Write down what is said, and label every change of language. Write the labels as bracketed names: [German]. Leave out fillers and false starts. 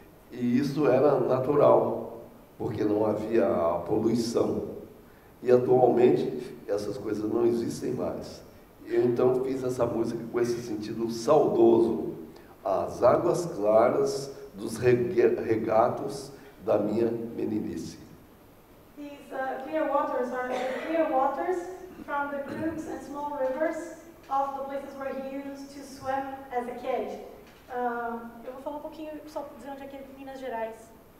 [Portuguese] E isso era natural, porque não havia poluição. E, atualmente, essas coisas não existem mais. Eu então fiz essa música com esse sentido saudoso, as águas claras dos regatos da minha meninice. [English] These clear waters are the clear waters from the creeks and small rivers of the places where he used to swim as a kid. [Portuguese] Eu vou falar um pouquinho só de onde é que ele, Minas Gerais.